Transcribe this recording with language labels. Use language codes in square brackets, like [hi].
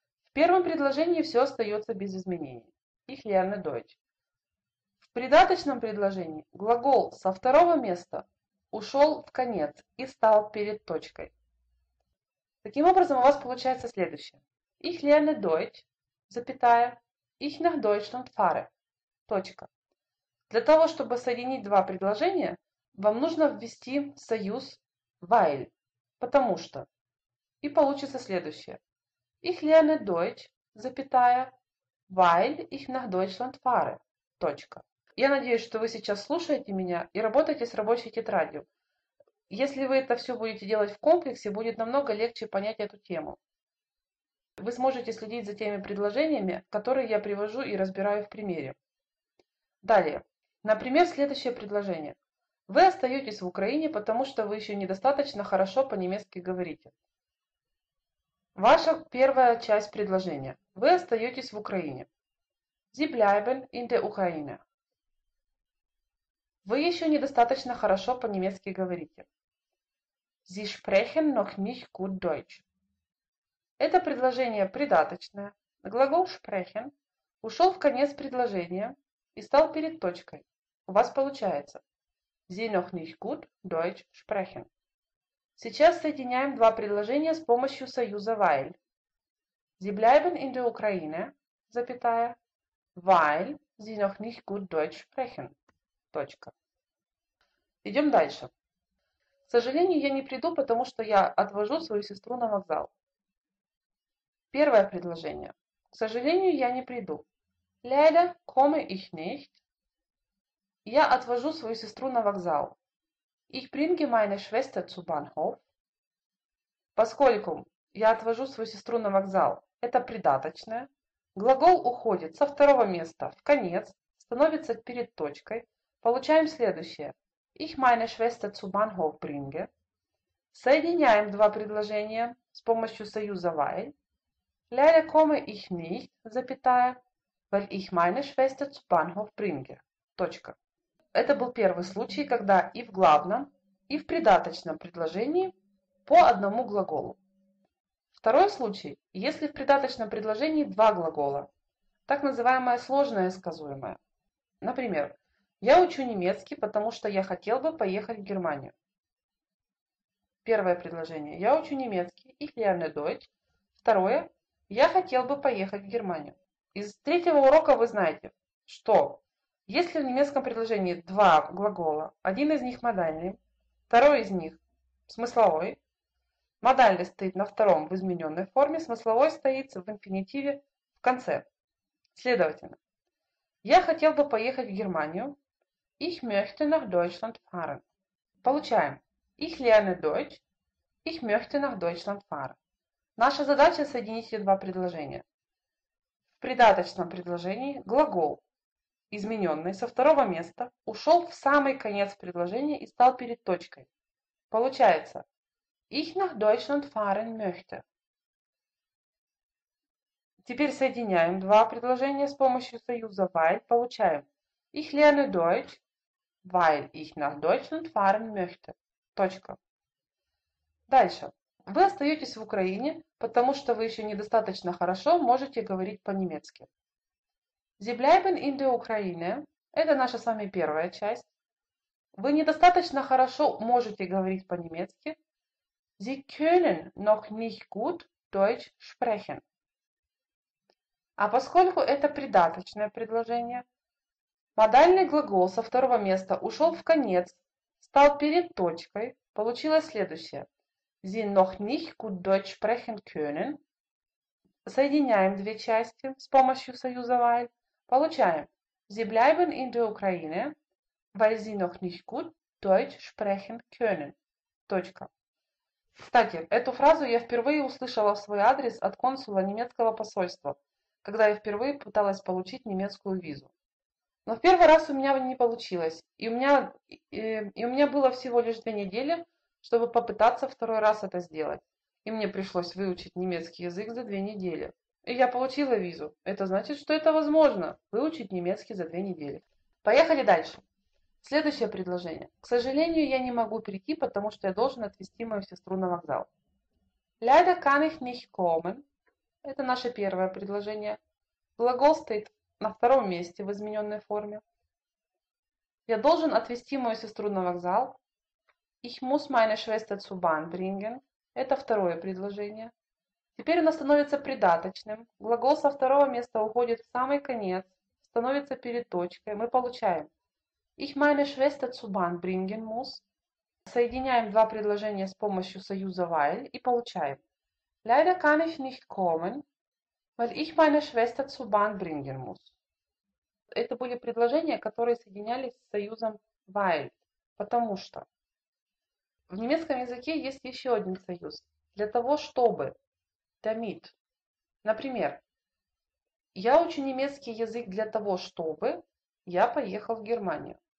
[ru] В первом предложении все остается без изменений. [de] Ich lerne Deutsch. [ru] В придаточном предложении глагол со 2-го места ушел в конец и стал перед точкой. Таким образом, у вас получается следующее. [de] Ich lerne Deutsch, [ru] запятая, [de] ich nach Deutschland fahre, [ru] точка. Для того, чтобы соединить 2 предложения, вам нужно ввести союз weil, потому что. И получится следующее. [de] Ich lerne Deutsch, [ru] запятая, [de] weil ich nach Deutschland fahre, [ru] точка. Я надеюсь, что вы сейчас слушаете меня и работаете с рабочей тетрадью. Если вы это все будете делать в комплексе, будет намного легче понять эту тему. Вы сможете следить за теми предложениями, которые я привожу и разбираю в примере. Далее. Например, следующее предложение. Вы остаетесь в Украине, потому что вы еще недостаточно хорошо по-немецки говорите. Ваша первая часть предложения. Вы остаетесь в Украине. [de] Sie bleiben in der Ukraine. [ru] Вы еще недостаточно хорошо по-немецки говорите. [de] Sie sprechen noch nicht gut Deutsch. [ru] Это предложение придаточное. Глагол sprechen ушел в конец предложения и стал перед точкой. У вас получается. [de] Sie noch nicht gut Deutsch sprechen. [ru] Сейчас соединяем 2 предложения с помощью союза weil. [de] Sie bleiben in der Ukraine, [ru] запятая, [de] weil sie noch nicht gut Deutsch sprechen. [ru] Точка. Идем дальше. К сожалению, я не приду, потому что я отвожу свою сестру на вокзал. Первое предложение. К сожалению, я не приду. [de] Leider komme ich nicht. [ru] Я отвожу свою сестру на вокзал. [de] Ich bringe meine Schwester zu Bahnhof. [ru] Поскольку я отвожу свою сестру на вокзал, это придаточное. Глагол уходит со 2-го места в конец, становится перед точкой. Получаем следующее. [de] Ich meine Schwester zu Bahnhof bringe. [ru] Соединяем 2 предложения с помощью союза weil. [de] Leider komme ich nicht, [ru] запятая, [de] weil ich meine Schwester zu Bahnhof bringe. [ru] Точка. Это был первый случай, когда и в главном, и в придаточном предложении по 1 глаголу. Второй случай, если в придаточном предложении 2 глагола. Так называемое сложное сказуемое. Например, я учу немецкий, потому что я хотел бы поехать в Германию. Первое предложение. Я учу немецкий. [de] Ich lerne Deutsch. [ru] Второе. Я хотел бы поехать в Германию. Из 3-го урока вы знаете, что если в немецком предложении 2 глагола, один из них модальный, второй из них смысловой. Модальный стоит на 2-м в измененной форме, смысловой стоит в инфинитиве в конце. Следовательно, я хотел бы поехать в Германию. [de] Ich möchte nach Deutschland fahren. [ru] Получаем. [de] Ich lerne Deutsch. Ich möchte nach Deutschland fahren. [ru] Наша задача соединить эти два предложения. В придаточном предложении глагол, измененный со второго места, ушел в самый конец предложения и стал перед точкой. Получается. [de] Ich nach Deutschland fahren möchte. [ru] Теперь соединяем два предложения с помощью союза weil. Получаем. [de] Ich lerne Deutsch, weil ich nach Deutschland fahren möchte. [ru] Точка. Дальше. Вы остаетесь в Украине, потому что вы еще недостаточно хорошо можете говорить по-немецки. [de] Sie bleiben in der Ukraine. [ru] Это наша с вами первая часть. Вы недостаточно хорошо можете говорить по-немецки. [de] Sie können noch nicht gut Deutsch sprechen. [ru] А поскольку это придаточное предложение, модальный глагол со второго места ушел в конец, стал перед точкой, получилось следующее. [de] Sie noch nicht gut Deutsch sprechen können. [ru] Соединяем две части с помощью союза weil. Получаем. [de] Sie bleiben in der Ukraine, weil sie noch nicht gut Deutsch sprechen können. [ru] Точка. Кстати, эту фразу я впервые услышала в свой адрес от консула немецкого посольства, когда я впервые пыталась получить немецкую визу. Но в первый раз у меня не получилось, и у меня было всего лишь 2 недели, чтобы попытаться второй раз это сделать. И мне пришлось выучить немецкий язык за 2 недели. И я получила визу. Это значит, что это возможно, выучить немецкий за 2 недели. Поехали дальше. Следующее предложение. К сожалению, я не могу прийти, потому что я должен отвезти мою сестру на вокзал. [de] Leider kann ich nicht kommen. [ru] Это наше первое предложение. Глагол стоит на втором месте в измененной форме. Я должен отвезти мою сестру на вокзал. [de] Ich muss meine Schwester zur Bahn bringen. [ru] Это второе предложение. Теперь оно становится придаточным. Глагол со второго места уходит в самый конец, становится перед точкой. Мы получаем. [de] Ich meine Schwester zur Bahn bringen muss. [ru] Соединяем два предложения с помощью союза weil и получаем. [de] Leider kann ich nicht kommen, weil ich meine Schwester zur Bahn bringen muss. [ru] Это были предложения, которые соединялись с союзом weil, потому что. В немецком языке есть еще один союз. Для того, чтобы. Damit. Например, я учу немецкий язык для того, чтобы я поехал в Германию.